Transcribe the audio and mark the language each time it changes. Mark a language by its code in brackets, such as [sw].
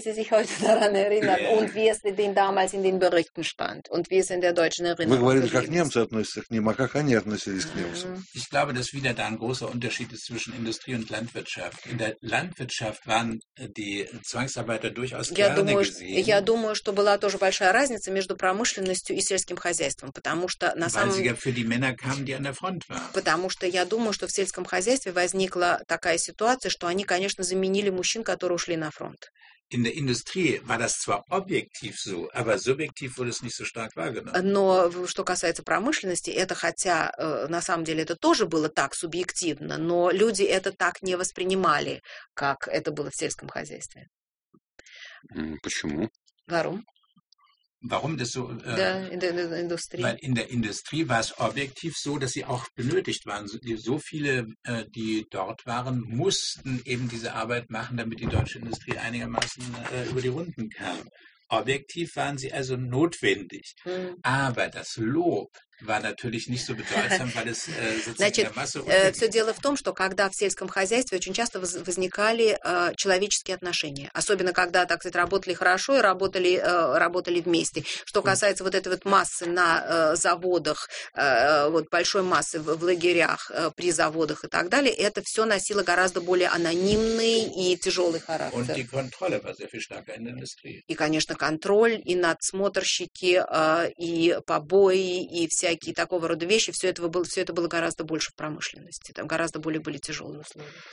[de] sie sich heute daran erinnern und wie es denn damals in den Berichten stand und wie es in der deutschen Erinnerung ist. Ich glaube, dass wieder da ein großer Unterschied ist zwischen Industrie und Landwirtschaft. In der Landwirtschaft waren die Zwangsarbeiter durchaus gerne gesehen. [ru] Я думаю, что была тоже большая разница между промышленностью и сельским хозяйством, потому что на самом деле [de] für die Männer kamen, die an der Front waren. [ru] Потому что я думаю, что в сельском хозяйстве возникла такая ситуация, что они, конечно, заменили мужчин, которые ушли на фронт. [de] In der Industrie war das zwar objektiv so, aber subjektiv wurde es nicht so stark wahrgenommen. [ru] Но что касается промышленности, это хотя на самом деле это тоже было так субъективно, но люди это так не воспринимали, как это было в сельском хозяйстве. Почему? [de] Warum? Warum das so? In der Industrie. Weil in der Industrie war es objektiv so, dass sie auch benötigt waren. So viele, die dort waren, mussten eben diese Arbeit machen, damit die deutsche Industrie einigermaßen über die Runden kam. Objektiv waren sie also notwendig. Aber das Lob war natürlich nicht so bedeutsam, weil es sozusagen der Masse [ru] Все дело в том, что когда в сельском хозяйстве очень часто возникали человеческие отношения, особенно когда, так сказать, работали хорошо и работали вместе. Что касается вот этой вот массы на заводах, вот большой массы в лагерях, при заводах и так далее, это все носило гораздо более анонимный и тяжелый характер. [de] Und die Kontrolle war sehr viel stärker in der Industrie. [ru] И, конечно, контроль и надсмотрщики, и побои, и всякие такого рода вещи, все это было гораздо больше в промышленности, там гораздо более были тяжелые условия.